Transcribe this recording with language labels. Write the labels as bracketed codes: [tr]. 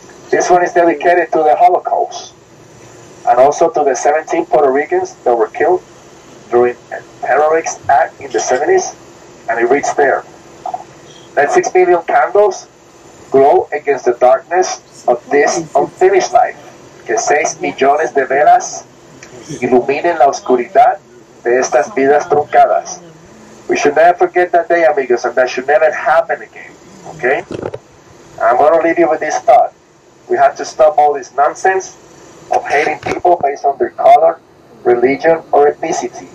[en] This one is dedicated to the Holocaust and also to the 17 Puerto Ricans that were killed during a terrorist act in the 70s, and it reads there. Let 6 million candles glow against the darkness of this unfinished life. [es] Que 6 millones de velas iluminen la oscuridad de estas vidas truncadas. [en] We should never forget that day, amigos, and that should never happen again. Okay? I'm going to leave you with this thought. We have to stop all this nonsense of hating people based on their color, religion, or ethnicity.